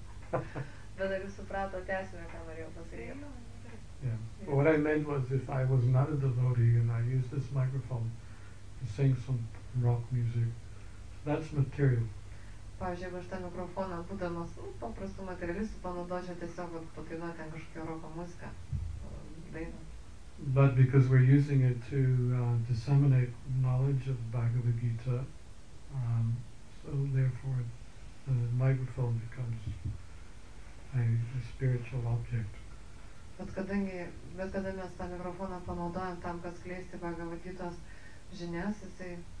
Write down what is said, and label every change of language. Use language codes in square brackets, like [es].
[en] But I understood the essence of what I wanted to say. Yeah. But what I meant was, if I was not a devotee and I used this microphone to sing some rock music, that's material. [lt] Pavyzdžiui, jeigu aš tą mikrofoną būdamas paprastų materialistų panaudočiau tiesiog patinuot ten kažkokią roko muziką, dainą. [en] But because we're using it to disseminate knowledge of Bhagavad Gita, so therefore the microphone becomes a spiritual object. [lt] Bet kada mes tą mikrofoną panaudojam tam, kad skleisti Bhagavad Gita's žinias, jisai